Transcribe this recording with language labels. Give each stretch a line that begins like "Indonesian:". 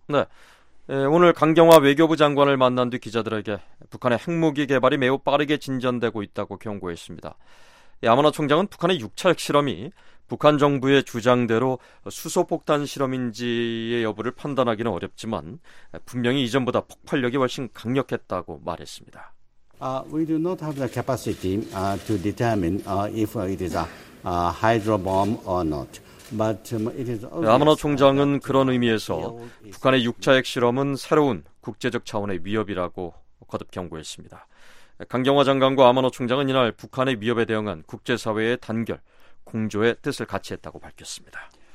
Korean: 네, 오늘 강경화 외교부 장관을 만난 뒤 기자들에게 북한의 핵무기 개발이 매우 빠르게 진전되고 있다고 경고했습니다. 아마노 총장은 북한의 6차 핵실험이 북한 정부의 주장대로 수소폭탄 실험인지의 여부를 판단하기는 어렵지만 분명히 이전보다 폭발력이 훨씬 강력했다고 말했습니다.
English: We do not have the capacity to determine if it is a hydro bomb or not. But it is obvious.
Korean: 아마노 총장은 그런 의미에서 북한의 6차 핵실험은 새로운 국제적 차원의 위협이라고 거듭 경고했습니다. 강경화 장관과 아마노 총장은 이날 북한의 위협에 대응한 국제사회의 단결, 공조의 뜻을 같이 했다고 밝혔습니다.